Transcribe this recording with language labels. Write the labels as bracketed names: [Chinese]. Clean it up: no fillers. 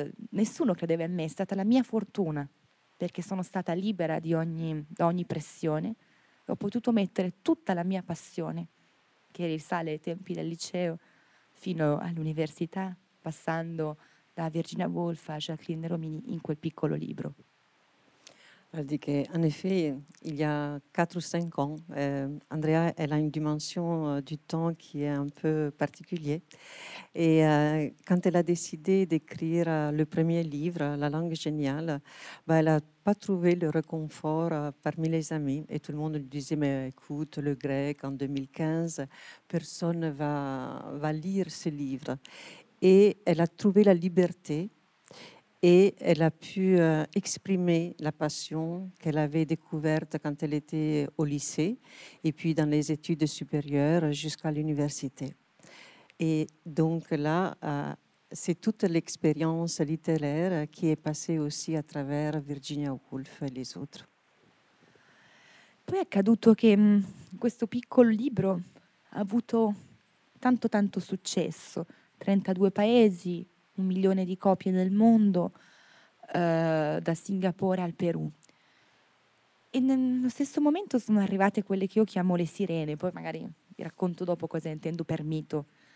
[Italian] Nessuno credeva in me, è stata la mia fortuna perché sono stata libera di ogni pressione e ho potuto mettere tutta la mia passione che risale ai tempi del liceo fino all'università passando da Virginia Woolf a Jacqueline Romini in quel piccolo libro. [French] Elle dit que, en effet, il y a 4 ou 5 ans, Andrea, elle a une dimension du temps qui est un peu particulière. Et quand elle a décidé d'écrire le premier livre, La langue géniale, elle n'a pas trouvé le réconfort parmi les amis. Et tout le monde lui disait, mais écoute, le grec en 2015, personne ne va lire ce livre. Et elle a trouvé la liberté. Et elle a pu exprimer la passion qu'elle avait découverte quand elle était au lycée et puis dans les études supérieures jusqu'à l'université. Et donc là, c'est toute l'expérience littéraire qui est passée aussi à travers Virginia Woolf et les autres. [Italian] poi è accaduto che questo piccolo libro ha avuto tanto tanto successo, 32 paesi, 1 milione di copie nel mondo, da Singapore al Perù. E nello stesso momento sono arrivate quelle che io chiamo le sirene, poi magari vi racconto dopo cosa intendo per mito.